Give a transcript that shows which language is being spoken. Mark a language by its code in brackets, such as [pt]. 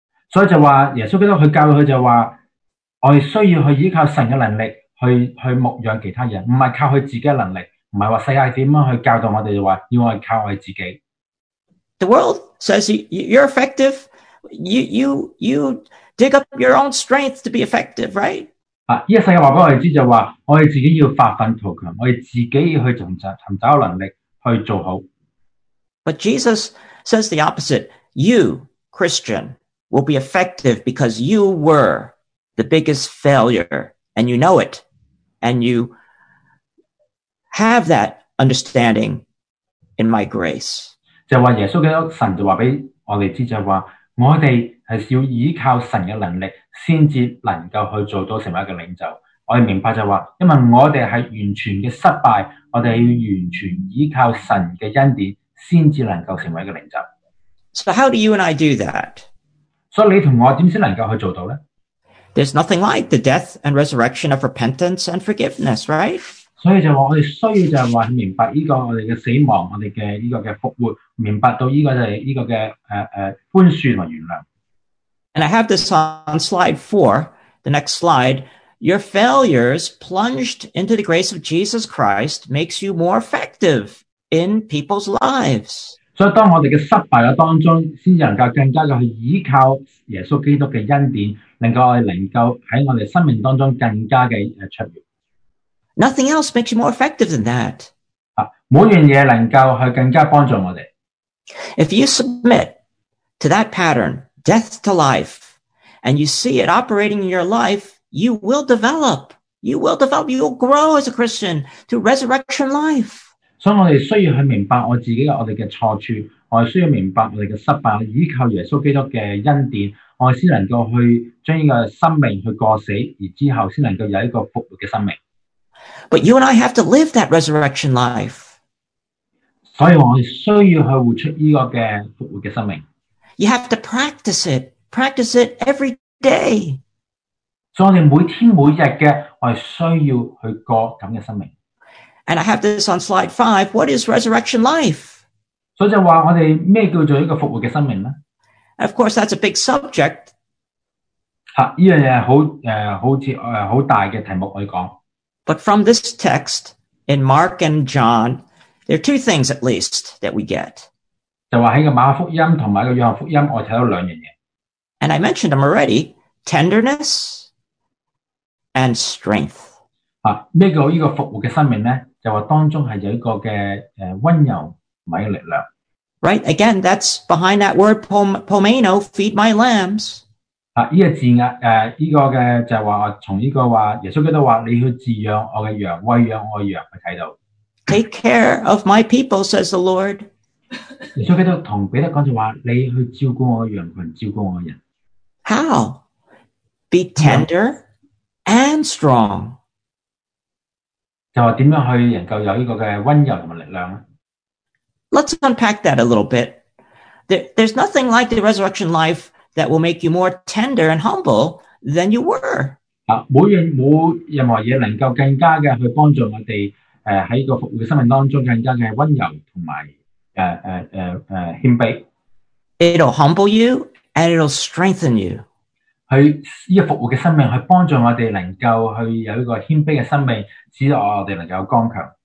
[en] So, he said, Jesus Christ, he taught him, he said, we need to rely on God's ability to lead other people, not rely on his own ability, not say, how to teach us, but rely on ourselves. The world says, you're effective. You dig up your own strength to be effective, right? [zh] 这个世界告诉我们就是说我们自己要发奋图强，我们自己要去寻找能力去做好。 [en] But Jesus says the opposite. You, Christian, will be effective because you were the biggest failure and you know it. And you have that understanding in my grace. [zh] 就是耶稣基督神就告诉我们就是说我们是要依靠神的能力才能够去做到成为一个领袖。我们明白就是说因为我们是完全的失败，我们要完全依靠神的恩典才能够成为一个领袖。 [en] So how do you and I do that? [zh] 所以你和我怎么能够去做到呢？ [en] There's nothing like the death and resurrection of repentance and forgiveness, right? [zh] 所以就是说我们需要就是说明白这个我们的死亡，我们的这个的复活，明白到这个就是这个的宽恕和原谅。 [en] And I have this on slide 4, the next slide. Your failures plunged into the grace of Jesus Christ makes you more effective in people's lives. [zh] 所以当我们的失败当中才能够更加的去依靠耶稣基督的恩典，能够我们能够在我们生命当中更加的出现。 [en] Nothing else makes you more effective than that. [zh] 每样东西能够去更加帮助我们。 [en] If you submit to that pattern,death to life, and you see it operating in your life, you will develop. You will develop. You will grow as a Christian to resurrection life. So we need to understand ourselves, our mistakes. We need to understand our failures. We need to depend on Jesus Christ's grace. We can live this life and then have a resurrection life. But you and I have to live that resurrection life. [zh] 所以我们需要去活出这个复活的生命。 [en] You have to practice it. Practice it every day. [zh] 所以我们每天每日的我们需要去过这样的生命。 [en] And I have this on slide 5. What is resurrection life? [zh] 所以就说我们什么叫做一个复活的生命呢? [en] Of course, that's a big subject. [zh] 这件事很大的题目可以说。 [en] But from this text, in Mark and John, there are two things at least that we get. [zh] 就说在马可福音和在约翰福音我看到两件事。 [en] And I mentioned them already, tenderness and strength. [zh] 什么叫这个复活的生命呢?就说当中是有一个的温柔和力量。 [en] Right, again, that's behind that word, pomeno, feed my lambs. [zh] 这个就是耶稣基督说你去喂养我的羊。 [en] Take care of my people, says the Lord. [zh] 耶稣基督跟彼得说你去照顾我的羊群，照顾我的人。 [en] How? Be tender and strong. [zh] 就说怎样去能够有这个温柔和力量。 [en] Let's unpack that a little bit. There's nothing like the resurrection life that will make you more tender and humble than you were. [zh] 没任何东西能够更加的去帮助我们在这个复活的生命当中更加的温柔和谦卑。 [en] It'll humble you and it'll strengthen you. [zh] 去这个复活的生命去帮助我们能够去有一个谦卑的生命，使我们能够刚强。